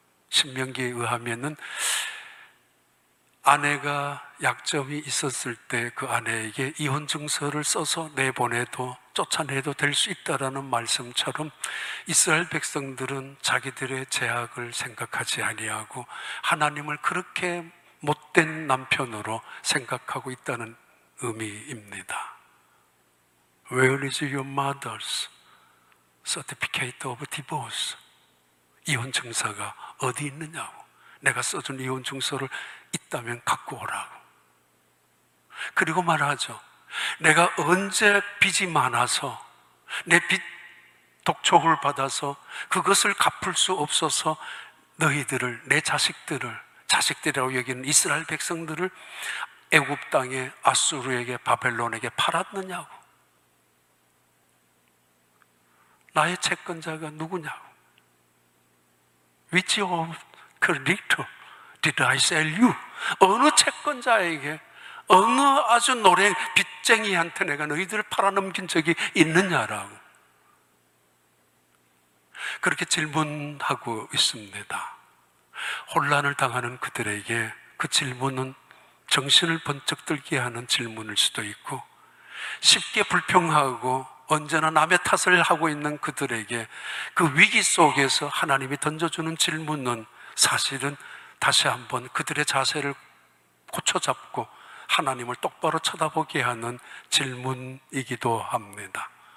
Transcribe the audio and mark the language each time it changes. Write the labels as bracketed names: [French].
[Korean] 신명기에 의하면은 아내가 약점이 있었을 때 그 아내에게 이혼 증서를 써서 내보내도, 쫓아내도 될 수 있다라는 말씀처럼 이스라엘 백성들은 자기들의 죄악을 생각하지 아니하고 하나님을 그렇게 못된 남편으로 생각하고 있다는 의미입니다. [English] Where is your mother's certificate of divorce? [Korean] 이혼 증서가 어디 있느냐고. 내가 써준 이혼 증서를 있다면 갖고 오라고. 그리고 말하죠. 내가 언제 빚이 많아서 내 빚 독촉을 받아서 그것을 갚을 수 없어서 너희들을, 내 자식들을, 자식들이라고 여기는 이스라엘 백성들을 애굽 땅에 아수르에게, 바벨론에게 팔았느냐고. 나의 채권자가 누구냐고. [English] Which of creditor did I sell you? [Korean] 어느 채권자에게, 어느 아주 노래 빚쟁이한테 내가 너희들을 팔아넘긴 적이 있느냐라고 그렇게 질문하고 있습니다. 혼란을 당하는 그들에게 그 질문은 정신을 번쩍 들게 하는 질문일 수도 있고, 쉽게 불평하고 언제나 남의 탓을 하고 있는 그들에게 그 위기 속에서 하나님이 던져주는 질문은 사실은 다시 한번 그들의 자세를 고쳐잡고 하나님을 똑바로 쳐다보게 하는 질문이기도 합니다.